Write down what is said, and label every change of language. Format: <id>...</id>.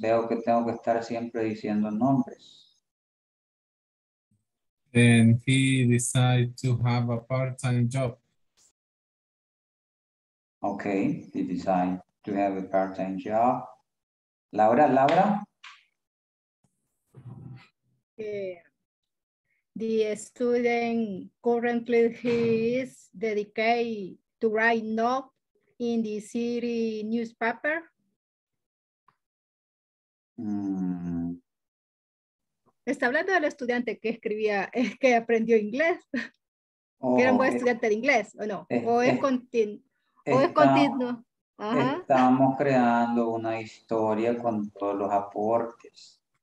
<es>Veo que tengo que estar siempre diciendo nombres.</es> <en>Then he decided to have a part-time job. Okay, he decided to have a part-time job. Laura, Laura? The student currently he is dedicated to write notes in the city newspaper.</en> <es>Está hablando del estudiante que escribía, que aprendió inglés, que era un buen estudiante de inglés, ¿o no? ¿O es continuo? Ajá. Estamos creando una historia con todos los aportes.</es>